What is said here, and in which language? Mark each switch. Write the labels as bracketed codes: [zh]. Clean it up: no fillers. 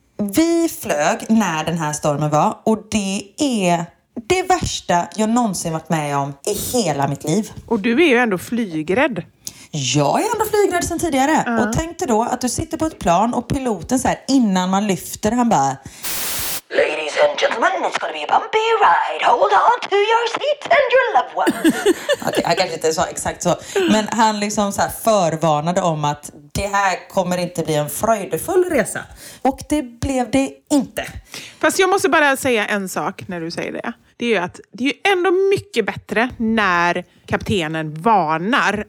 [sv] Vi flög när den här stormen var. Och det är det värsta jag någonsin varit med om i hela mitt liv. Och du är ju ändå flygrädd. Jag är ändå flygrädd sedan tidigare. Uh-huh. Och tänkte då att du sitter på ett plan och piloten så här, innan man lyfter, han bara... [en] Ladies and gentlemen, it's gonna be a bumpy ride. Hold on to your seats and your loved ones. [sv] Okej, han kanske inte sa exakt så. Men han liksom så här förvarnade om att det här kommer inte bli en fröjdefull resa. Och det blev det inte. Fast jag måste bara säga en sak när du säger det. Det är ju att det är ändå mycket bättre när kaptenen varnar.